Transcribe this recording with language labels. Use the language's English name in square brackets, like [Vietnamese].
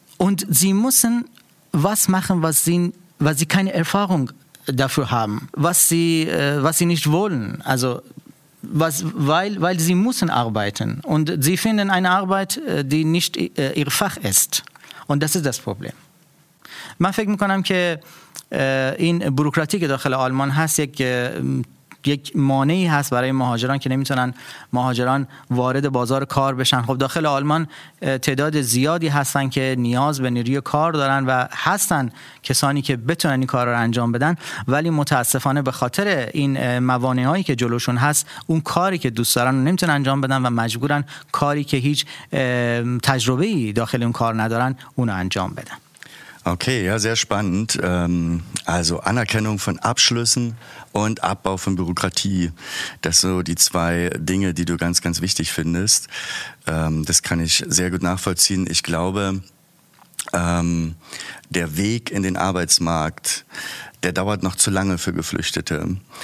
[German] Und sie müssen was machen, was sie keine Erfahrung dafür haben, was sie nicht wollen. Also weil sie müssen arbeiten und sie finden eine Arbeit, die nicht ihr Fach ist. Und das ist das Problem. Man fängt mit einem, dass in Bürokratie [Persian] داخل آلمان هست یک مانعی هست برای مهاجران که نمیتونن مهاجران وارد بازار کار بشن. خب داخل آلمان تعداد زیادی هستن که نیاز به نیروی کار دارن و هستن کسانی که بتونن این کار رو انجام بدن، ولی متاسفانه به خاطر این موانعی که جلوشون هست اون کاری که دوست دارن نمیتونن انجام بدن و مجبورن کاری که هیچ تجربه‌ای داخل اون کار ندارن اونو انجام بدن. [German] Okay, ja, sehr spannend. Also Anerkennung von Abschlüssen und Abbau von Bürokratie. Das sind so die zwei Dinge, die du ganz, ganz wichtig findest. Das kann ich sehr gut nachvollziehen. Ich glaube, der Weg in den Arbeitsmarkt, der dauert noch zu lange für Geflüchtete.